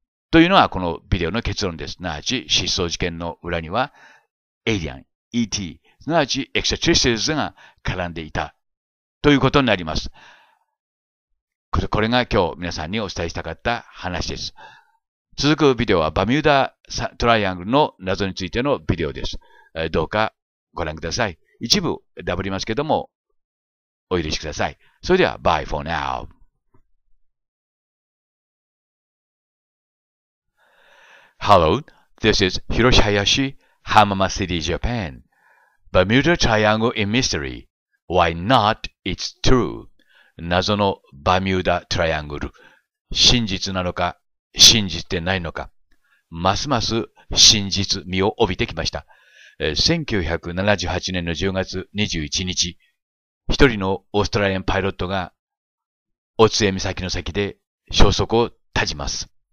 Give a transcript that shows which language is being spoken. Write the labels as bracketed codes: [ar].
[ja] というのはこのビデオの結論です。すなわち、失踪事件の裏には、エイリアン、ET、すなわち、エクストラテリアルが絡んでいたということになります。これが今日皆さんにお伝えしたかった話です。続くビデオはバミューダトライアングルの謎についてのビデオです。どうかご覧ください。一部ダブりますけども、お許しください。 [en] それでは、Bye for now. Hello, this is Hiroshi Hayashi, Hamama City, Japan. Bermuda Triangle in Mystery. Why not? It's true. [ja] 謎のバミューダトライアングル。真実なのか、信じてないのか。ますます真実味を帯びてきました。1978年の10月21日、一人のオーストラリアンパイロットが、オツエ岬の先で消息を絶ちます。